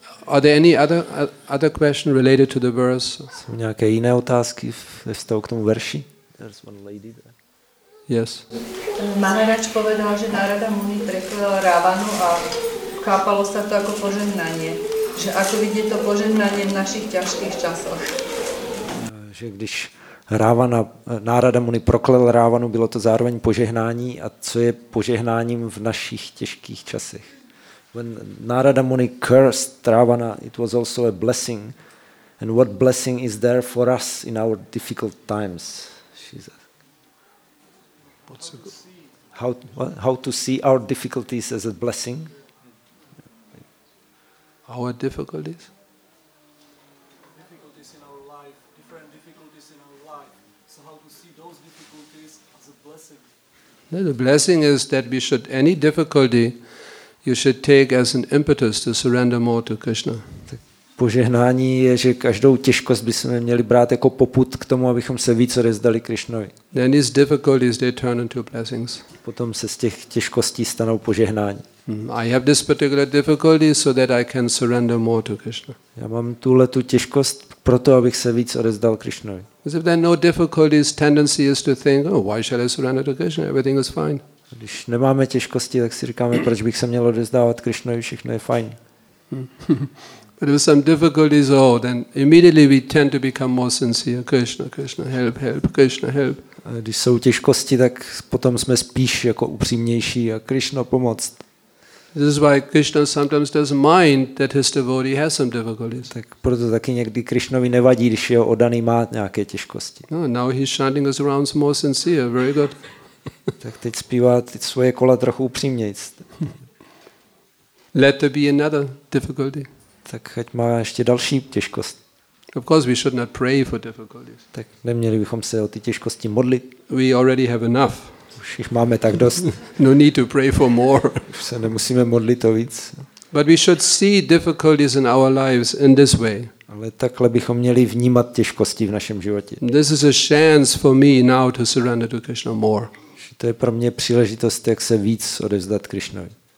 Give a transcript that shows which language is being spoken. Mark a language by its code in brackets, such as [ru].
[en] Are there any other question related to the verse? [cs] Jsou nějaké jiné otázky ve vztahu k tomu verši? [en] There's one lady there. Yes. [sk] Maharaj povedal, že Narada Muni prekvěl Ravanu a chápalo se to jako požehnání. Že ako vidí to požehnání v našich těžkých časoch? [cs] Že když Nárada Muni proklel Rávanu, bylo to zároveň požehnání, a co je požehnáním v našich těžkých časech. [en] When Nárada Muni cursed Rávana, it was also a blessing. And what blessing is there for us in our difficult times? She said. How to see our difficulties as a blessing? Our difficulties? The blessing is that we should any difficulty you should take as an impetus to surrender more to Krishna. [cs] Požehnání je, že každou těžkost bychom měli brát jako popud k tomu, abychom se víc odevzdali Krišnovi. [en] Then these difficulties they turn into blessings. [cs] Potom se z těch těžkostí stanou požehnání. [en] I have this particular difficulty so that I can surrender more to Krishna. [cs] Já mám tuhle tu těžkost proto, abych se víc odevzdal Krišnovi. [en] Because if there are no difficulties, tendency is to think, oh, why should I surrender to Krishna? Everything is fine. [cs] Když nemáme těžkosti, tak si říkáme, proč bych se měl odevzdávat Krišnovi, všechno je fajn. [en] But with some difficulties, oh, then immediately we tend to become more sincere. Krishna, Krishna, help, help, Krishna, help. [cs] Když jsou těžkosti, tak potom jsme spíš jako upřímnější a Krishna pomoc. [en] This is why Krishna sometimes doesn't mind that his devotee has some difficulties. [cs] Tak proto taky někdy Krishnovi nevadí, když jeho oddaný má nějaké těžkosti. [en] No, now he's chanting his rounds more sincere. Very good. [cs] Tak teď zpívá teď svoje kola trochu upřímněji. [en] Let there be another difficulty. [cs] Tak ať má ještě další těžkost. [en] Of course we should not pray for difficulties. [cs] Tak neměli bychom se o ty těžkosti modlit. [en] We already have enough. [cs] Už jich máme tak dost. [en] No need to pray for more. [cs] Už se nemusíme modlit o víc. [en] But we should see difficulties in our lives in this way. [cs] Ale takhle bychom měli vnímat těžkosti v našem životě. [en] This is a chance for me now to surrender to Krishna more. [cs] Že to je pro mě příležitost, jak se víc odevzdat Krišnovi.